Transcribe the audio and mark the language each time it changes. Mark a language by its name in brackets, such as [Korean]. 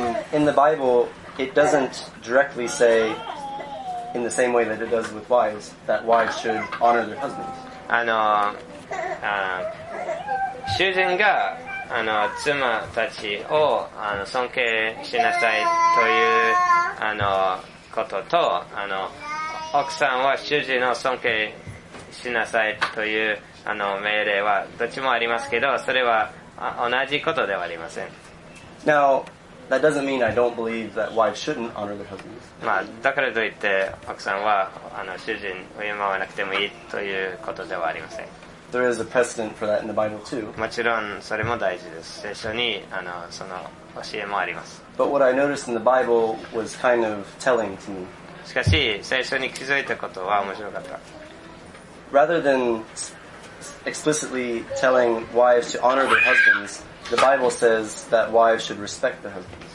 [English] Because, in the Bible, it doesn't directly say, in the same way that it does with wives, that wives should honor their husbands. [Japanese] 主人が、妻たちを尊敬しなさいということと奥さんは主人の尊敬しなさいというあの命令はどっちもありますけど、それは同じことではありません。 [English] Now, that doesn't mean I don't believe that wives shouldn't honor their husbands. [Japanese] まあだからといって奥さんはあの主人を敬わなくてもいいということではありません。 [English] There is a precedent for that in the Bible too. [Japanese] もちろんそれも大事です。聖書にあのその教えもあります。 [English] But what I noticed in the Bible was kind of telling to me. [Japanese] しかし最初に気づいたことは面白かった。 [English] Rather than explicitly telling wives to honor their husbands, the Bible says that wives should respect their husbands.